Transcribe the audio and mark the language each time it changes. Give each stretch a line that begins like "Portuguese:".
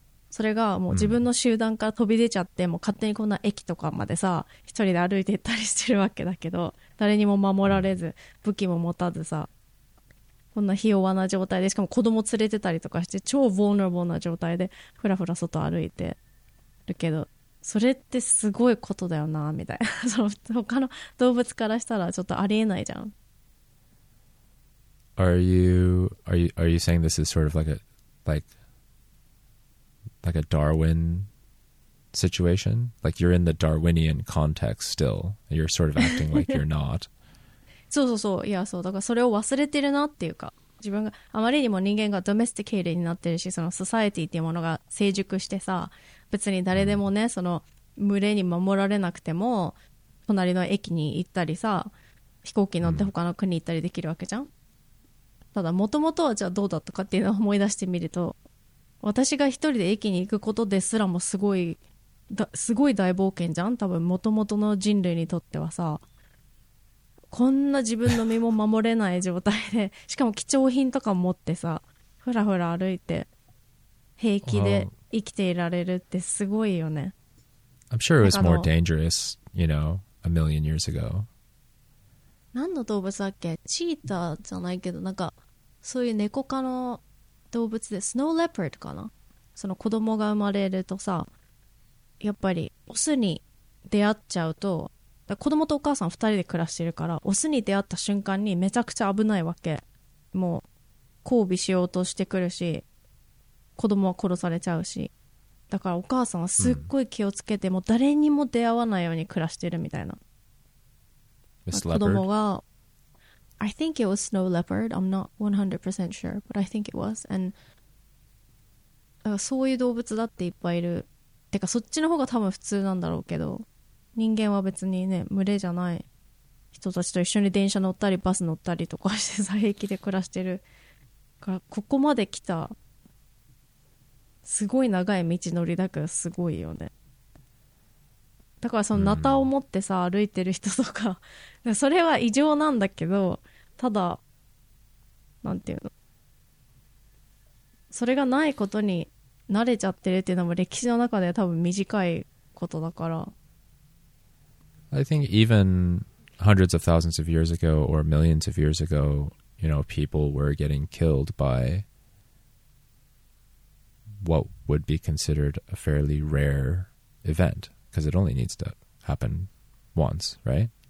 Japanese: それがもう自分の集団から飛び出ちゃって、うん、もう勝手にこんな駅とかまでさ一人で歩いていったりしてるわけだけど、誰にも守られず武器も持たずさ、こんなひ弱な状態でしかも子供連れてたりとかして超ヴォーナブルな状態でふらふら外歩いてるけど、それってすごいことだよなみたいな。その他の動物からしたらちょっとありえないじゃん。
English: Are you saying this is sort of like a Darwin situation? Like you're in the Darwinian context still. You're sort of acting like you're not.
Japanese: そうそうそう。いやそう。だからそれを忘れてるなっていうか、自分があまりにも人間がドメスティケーティになってるし、そのソサエティっていうものが成熟してさ、別に誰でもね、うん、その群れに守られなくても隣の駅に行ったりさ、飛行機乗って他の国行ったりできるわけじゃん、うん、ただもともとはじゃあどうだったかっていうのを思い出してみると、私が一人で駅に行くことですらもすごい大冒険じゃん。多分もともとの人類にとってはさ、こんな自分の身も守れない状態でしかも貴重品とか持ってさ、ふらふら歩いて平気で、うん、生きていられるってすごいよね。
English: I'm sure it was more dangerous, you know, a million years ago.
Japanese: 何の動物だっけ？チーターじゃないけど、なんかそういう猫科の動物でスノーレパードかな。その子供が生まれるとさ、やっぱりオスに出会っちゃうと、だから子供とお母さん二人で暮らしてるから、オスに出会った瞬間にめちゃくちゃ危ないわけ。もう交尾しようとしてくるし、子供は殺されちゃうし、だからお母さんはすっごい気をつけて、うん、もう誰にも出会わないように暮らしてるみたいな。
English: Miss
Japanese: 子供が、
English: I think it was snow leopard. I'm not 100% sure, but I think it was.
Japanese: And そういう動物だっていっぱいいる。てかそっちの方が多分普通なんだろうけど、人間は別にね群れじゃない人たちと一緒に電車乗ったりバス乗ったりとかしてさ、平気で暮らしてる。からここまで来た。すごい長い道のりだからすごいよね。だからそのナタを持ってさ、うん、歩いてる人とかそれは異常なんだけど、ただなんていうの、それがないことに慣れちゃってるっていうのも歴史の中で多分短いことだから。
English: I think even hundreds of thousands of years ago or millions of years ago, you know, people were getting killed byWhat would be considered a fairly rare event, because it only needs to happen once, right?